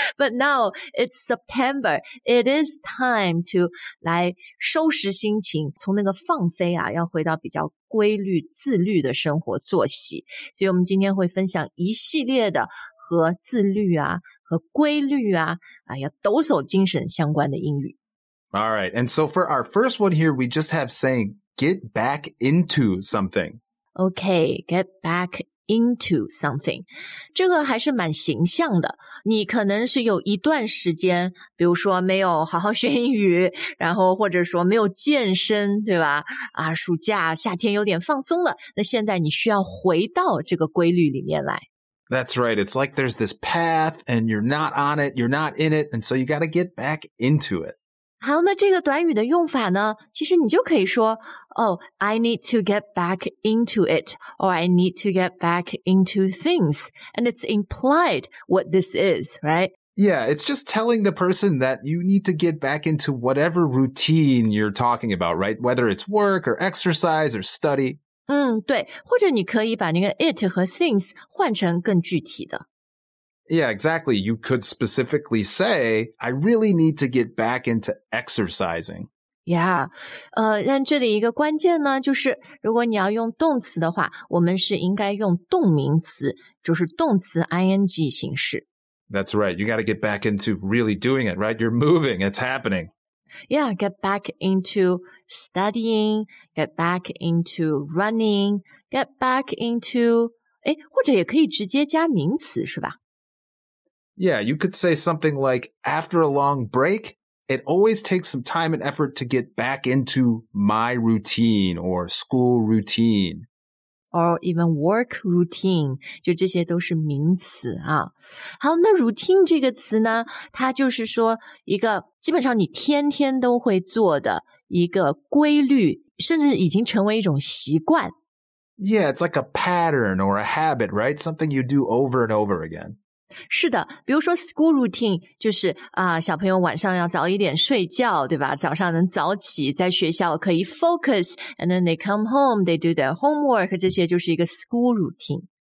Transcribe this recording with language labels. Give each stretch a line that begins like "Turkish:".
English: But now it's September, it is time to
Chinese: 来收拾心情从那个放飞啊要回到比较规律自律的生活作息所以我们今天会分享一系列的和自律啊和规律啊啊要抖擞精神相关的英语
English: All right, and so for our first one here, we just have saying get back into something. Okay, get back into something.
Chinese: 这个还是蛮形象的。你可能是有一段时间比如说没有好好学英语然后或者说没有健身对吧啊，暑假夏天有点放松了那现在你需要回到这个规律里面来。
English: That's right. It's like there's this path and you're not on it, you're not in it, and so you gotta get back into it.
Chinese: 好那这个短语的用法呢其实你就可以说
English: Oh, I need to get back into it, or I need to get back into things. And it's implied what this is, right? Yeah, it's just telling the person that you need to get back into whatever routine you're talking about, right? Whether it's work or exercise or study.
Chinese: 嗯，对，或者你可以把那个 it 和 things 换成更具体的。
English: Yeah, exactly. You could specifically say, I really need to get back into exercising.
Chinese: Yeah, 但这里一个关键呢，就是如果你要用动词的话，我们是应该用动名词，就是动词 ing 形式。
English: That's right. You got to get back into really doing it, right? You're moving. It's happening. Yeah, get back into studying, get back into running, get back into...
Chinese: 或者也可以直接加名词是吧
English: Yeah, you could say something like, after a long break, it always takes some time and effort to get back into my routine or school routine. Or even work routine,
Chinese: 就这些都是名词啊。好，那 routine 这个词呢，它就是说一个基本上你天天都会做的一个规律，甚至已经成为一种习惯。
English: Yeah, it's like a pattern or a habit, right? Something you do over and over again.
Chinese: 是的比如说 school routine 就是啊，小朋友晚上要早一点睡觉对吧早上能早起在学校可以
English: focus and then they come home they do their homework
Chinese: 这些就是一个 school routine